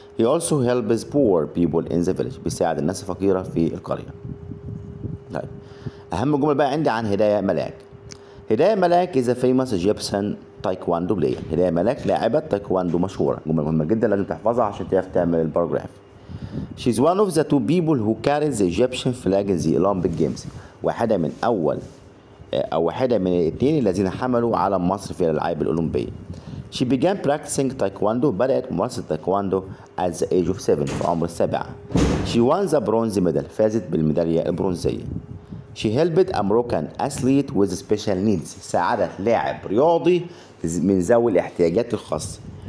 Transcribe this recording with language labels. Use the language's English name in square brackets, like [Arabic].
[English] He also helps poor people in the village، [Arabic] بيساعد الناس الفقيرة في القرية. طيب أهم جمل بقى عندي عن هداية ملاك. هداية ملاك [English] is a famous Egyptian taekwondo player، [Arabic] هداية ملاك لاعبة تايكواندو مشهورة. جمل مهمة جدا لازم تحفظها عشان تعرف تعمل الباراجراف. [English] She's one of the two people who carried the Egyptian flag in the Olympic Games. [Arabic] واحدة من أول أو واحدة من الاثنين الذين حملوا علم مصر في الألعاب الأولمبية. [English] She began practicing taekwondo, [Arabic] بدأت ممارسة التايكواندو [English] at the age of 7 [Arabic] في عمر 7. [English] She won the bronze medal, [Arabic] فازت بالميدالية البرونزية. [English] She helped American athlete with special needs, [Arabic] ساعدت لاعب رياضي من ذوي الاحتياجات الخاصة.